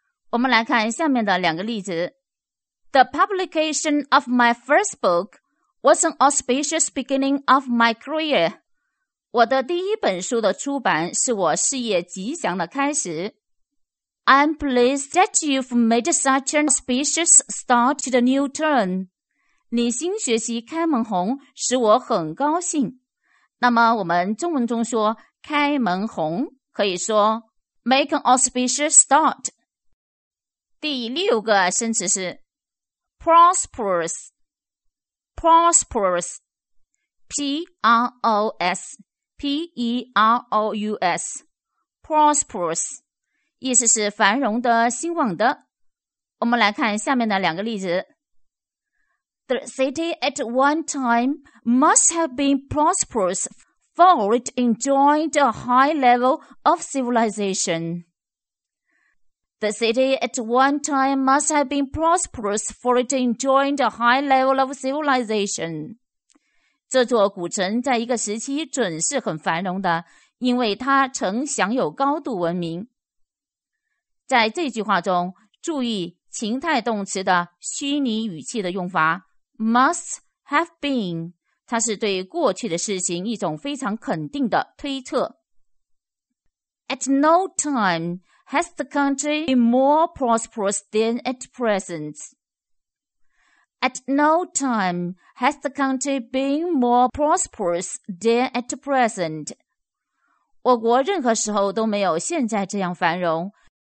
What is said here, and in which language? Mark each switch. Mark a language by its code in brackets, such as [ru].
[zh] 我们来看下面的两个例子。 [en] The publication of my first book was an auspicious beginning of my career. [zh] 我的第一本书的出版是我事业吉祥的开始。 [en] I'm pleased that you've made such an auspicious start to the new term. [zh] 你新学习开门红使我很高兴。那么我们中文中说开门红可以说 [en] make an auspicious start. [zh] 第六个生词是 prosperous P-R-O-S-P-E-R-O-U-S prosperous意思是繁荣的、兴旺的。我们来看下面的两个例子。 [en] The city at one time must have been prosperous, for it enjoyed a high level of civilization. The city at one time must have been prosperous, for it enjoyed a high level of civilization. [zh] 这座古城在一个时期准是很繁荣的，因为它曾享有高度文明。在这句话中，注意情态动词的虚拟语气的用法 [en] must have been， [zh] 它是对过去的事情一种非常肯定的推测。 [en] At no time has the country been more prosperous than at present. At no time has the country been more prosperous than at present. [zh] 我国任何时候都没有现在这样繁荣。